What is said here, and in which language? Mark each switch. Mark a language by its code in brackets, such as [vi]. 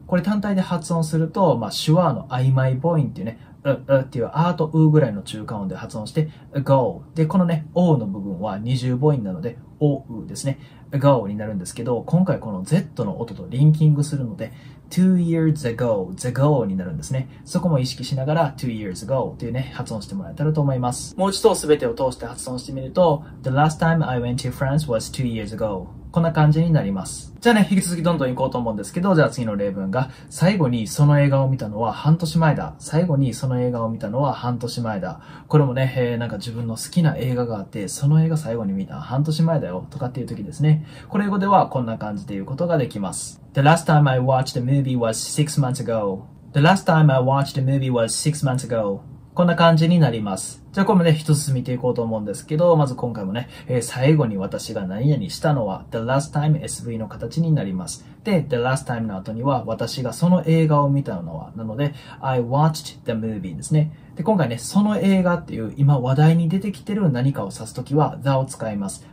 [ja] これ単体で発音すると、まあ手話の曖昧母音っていうね、っていうあとうぐらいの中間音で発音して ago。で、このね、o の部分は二重母音なので、o, u ですね。 ago になるんですけど、今回この z の音とリンキングするので、 [en] 2 years ago, the go [ja] になるんですね。そこも意識しながら [en] 2 years ago [ja] っていうね、発音してもらえたらと思います。もう一度全てを通して発音してみると、 [en] the last time I went to France was 2 years ago。 [ja] こんな感じになります。じゃあね、引き続きどんどん行こうと思うんですけど、じゃあ次の例文が、最後にその映画を見たのは半年前だ。最後にその映画を見たのは半年前だ。これもね、なんか自分の好きな映画があって、その映画最後に見た半年前だよ、とかっていう時ですね。これ英語ではこんな感じで言うことができます。 [en] The last time I watched a movie was 6 months ago. The last time I watched a movie was 6 months ago. [ja] こんな感じになります。じゃあ、これもね、一つ見ていこうと思うんですけど、まず今回もね、最後に私が何々したのは、 [en] the last time SV [ja] の形になります。で、 [en] the last time [ja] の後には、私がその映画を見たのは、なので、 [en] I watched the movie [ja] ですね。で、今回ね、その映画っていう、今話題に出てきてる何かを指すときは、the を使います。